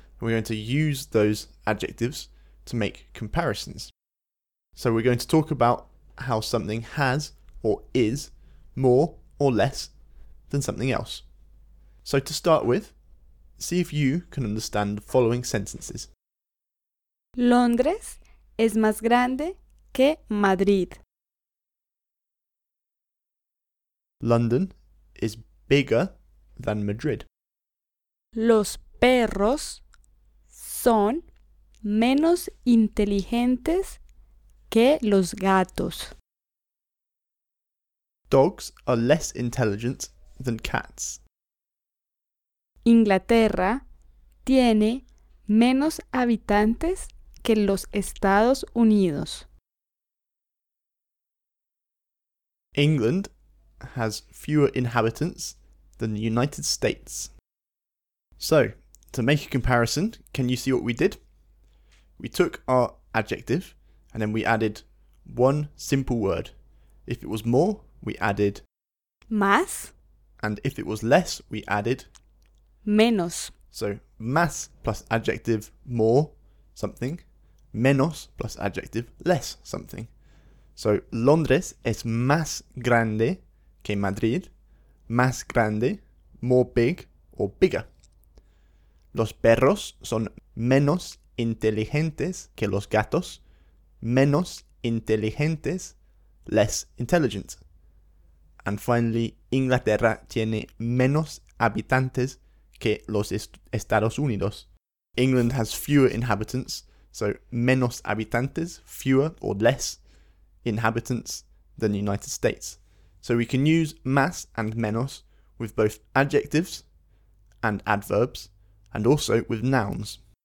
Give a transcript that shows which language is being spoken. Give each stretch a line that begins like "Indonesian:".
English: And we're going to use those adjectives to make comparisons. So we're going to talk about how something has or is more or less than something else. So to start with, see if you can understand the following sentences.
Spanish: Londres es más grande que Madrid.
English: London is bigger than Madrid.
Spanish: Los perros son menos inteligentes que los gatos.
English: Dogs are less intelligent than cats.
Spanish: Inglaterra tiene menos habitantes que los Estados Unidos.
English: England has fewer inhabitants than the United States. So, to make a comparison, can you see what we did? We took our adjective and then we added one simple word. If it was more, we added
Spanish: más.
English: And if it was less, we added
Spanish: menos.
English: So, más plus adjective more something, menos plus adjective less something.
Spanish: So, Londres es más grande que Madrid. Más grande,
English: more big or bigger.
Spanish: Los perros son menos inteligentes que los gatos. Menos inteligentes,
English: less intelligent. And finally,
Spanish: Inglaterra tiene menos habitantes que los Estados Unidos.
English: England has fewer inhabitants. So,
Spanish: menos habitantes,
English: fewer or less inhabitants than the United States. So we can use más and menos with both adjectives and adverbs and also with nouns.